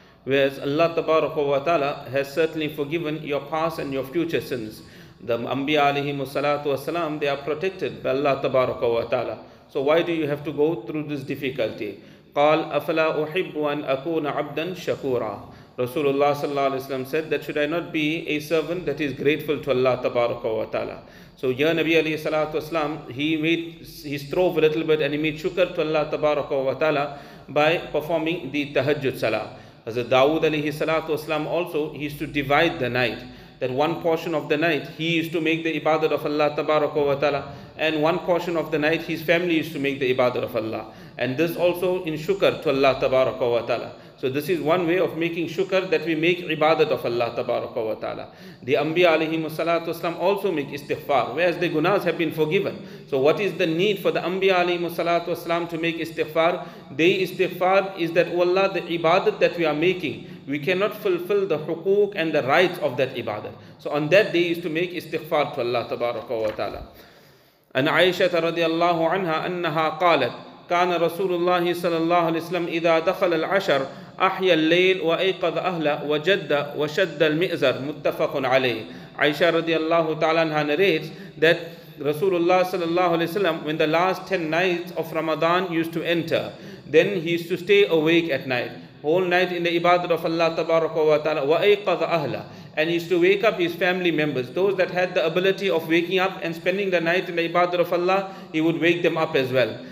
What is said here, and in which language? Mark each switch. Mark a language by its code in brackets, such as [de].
[en] Whereas Allah Tabaraka wa Ta'ala has certainly forgiven your past and your future sins. The Anbiya alayhimu salatu wa salam, they are protected by Allah Tabaraka wa Ta'ala. So why do you have to go through this difficulty? [ar] قَالْ أَفَلَا أُحِبُّ أَنْ أَكُونَ عَبْدًا شَكُورًا. [en] Rasulullah sallallahu alayhi wa sallam said that should I not be a servant that is grateful to Allah tabaraka wa ta'ala. So here Nabi alayhi salatu wa sallam, he strove a little bit and he made shukr to Allah tabaraka wa ta'ala by performing the tahajjud salah. Hazrat Dawood alayhi salatu wa sallam also, he used to divide the night. That one portion of the night, he used to make the ibadat of Allah tabaraka wa ta'ala. And one portion of the night, his family used to make the ibadat of Allah. And this also in shukr to Allah tabaraka wa ta'ala. So this is one way of making shukr, that we make ibadat of Allah tabaraka wa ta'ala. The Anbiya alayhim salatu wasalam also make istighfar, whereas the gunas have been forgiven. So what is the need for the Anbiya alayhim salatu wasalam to make istighfar? The istighfar is that, oh Allah, the ibadat that we are making, we cannot fulfill the huquq and the rights of that ibadat. So on that day is to make istighfar to Allah tabaraka wa ta'ala. [ar] An Aisha radiallahu anha annaha qalat, كان رسول الله صلى الله عليه وسلم إذا دخل العشر أحيى الليل وأيقظ أهله وجد وشد المئزر متفق عليه. عائشة رضي الله تعالى عنها [en] narrates that Rasulullah صلى الله عليه وسلم, when the last 10 nights of Ramadan used to enter, then he used to stay awake at night, whole night in the ibadat of Allah تبارك وتعالى, [ar] وأيقظ أهله, [en] and he used to wake up his family members, those that had the ability of waking up and spending the night in the ibadat of Allah, he would wake them up as well.